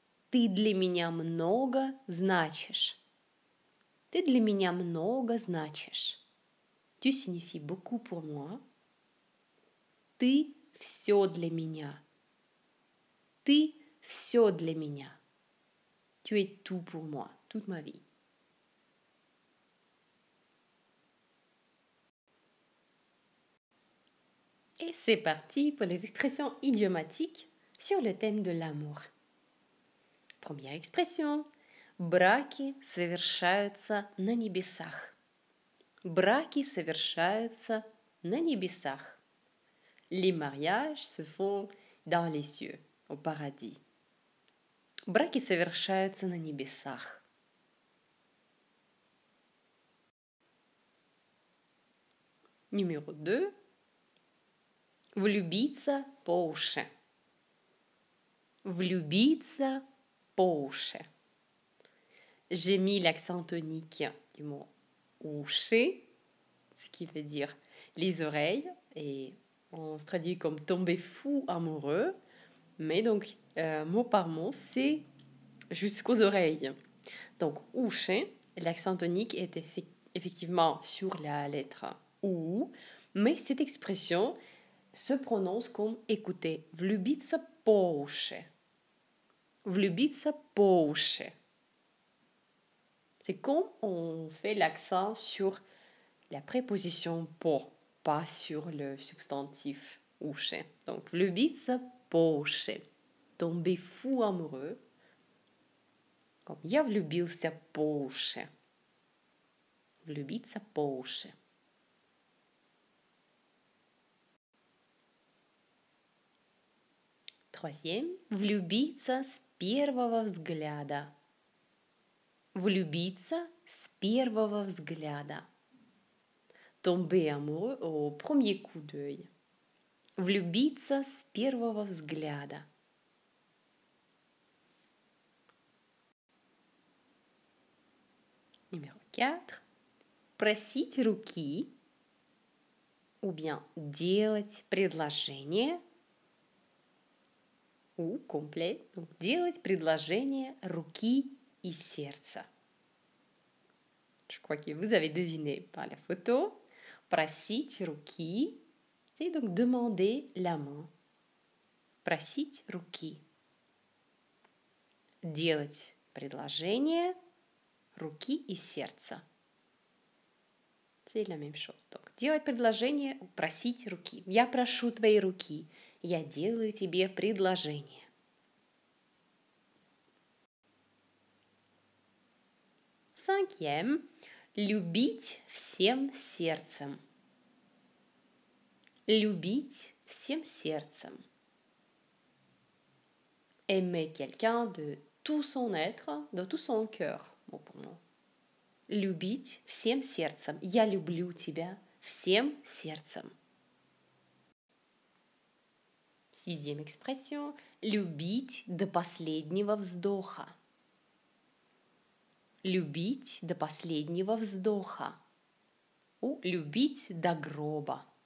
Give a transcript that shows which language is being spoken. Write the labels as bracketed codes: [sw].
[ru] Ты для меня много значишь. Ты для меня много значишь. [fr] Tu signifies beaucoup pour moi. Ты все для меня. Ты все для меня. Tu es tout pour moi, toute ma vie. Et c'est parti pour les expressions idiomatiques sur le thème de l'amour. Première expression. [ru] Браки совершаются на небесах. Браки совершаются на небесах. [fr] Les mariages se font dans les cieux, au paradis. [ru] Браки совершаются на небесах. [fr] Numéro 2. [ru] Влюбиться по уши. Влюбиться по уши. [fr] J'ai mis l'accent tonique du mot уши, ce qui veut dire les oreilles, et on se traduit comme tomber fou amoureux, mais donc mot par mot, c'est jusqu'aux oreilles. Donc уши, l'accent tonique est effectivement sur la lettre ou, mais cette expression se prononce comme écoutez, [ru] влюбиться по уши. Влюбиться по уши. [fr] C'est comme on fait l'accent sur la préposition по, pas sur le substantif уши. [ru] Donc, влюбиться по уши. [fr] Tomber fou amoureux. [ru] Comme я влюбился по уши. Влюбиться по уши. Troisième, влюбиться с первого взгляда. Влюбиться с первого взгляда. [fr] Tomber amoureux au premier coup d'œil. [ru] Влюбиться с первого взгляда. [fr] Numéro 4. [ru] Просить руки [fr] ou bien [ru] делать предложение. [fr] Ou complet, donc [ru] делать предложение руки и сердца. [fr] Je crois que vous avez deviné par la photo. [ru] Просить руки, [fr] c'est donc demander la main. [ru] Просить руки. Делать предложение руки и сердца. [fr] C'est la même chose. [ru] Donc делать предложение, просить руки. Я прошу твоей руки. Я делаю тебе предложение. Cinquième, любить всем сердцем. Любить всем сердцем. [fr] Aimer quelqu'un de tout son être, de tout son cœur, mot pour mot. [ru] Любить всем сердцем. Я люблю тебя всем сердцем. [fr] Sixième expression, [ru] любить до последнего вздоха. Любить до последнего вздоха. Ou любить до гроба.